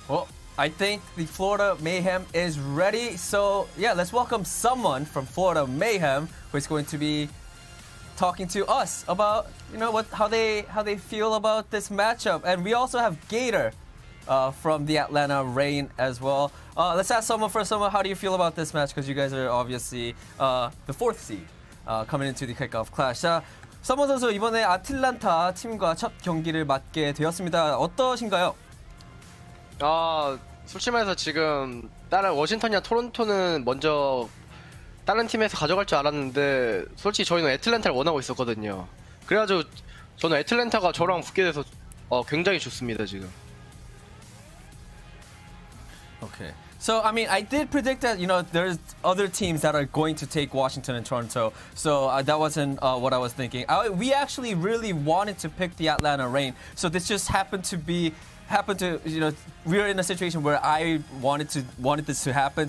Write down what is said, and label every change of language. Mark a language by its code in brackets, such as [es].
[en] Well, I think the Florida Mayhem is ready, so yeah, let's welcome someone from Florida Mayhem who is going to be talking to us about, you know, what, how they feel about this matchup. And we also have Gator from the Atlanta Reign as well. Let's ask someone first. Someone, how do you feel about this match? Because you guys are obviously the fourth seed coming into the kickoff clash. [ko] 서머 선수, 이번에 아틀란타 팀과 첫 경기를 맡게 되었습니다. 어떠신가요? 솔직히 말해서 지금 다른 워싱턴이나 토론토는 먼저 다른 팀에서 가져갈 줄 알았는데, 솔직히 저희는 애틀랜타를 원하고 있었거든요. 그래가지고 저는 애틀랜타가 저랑 붙게 돼서 굉장히 좋습니다, 지금. [en] Okay. So, I mean, I did predict that, you know, there's other teams that are going to take Washington and Toronto. So, that wasn't what I was thinking. We actually really wanted to pick the Atlanta Reign. So, this just happened to, you know, we are in a situation where I wanted this to happen.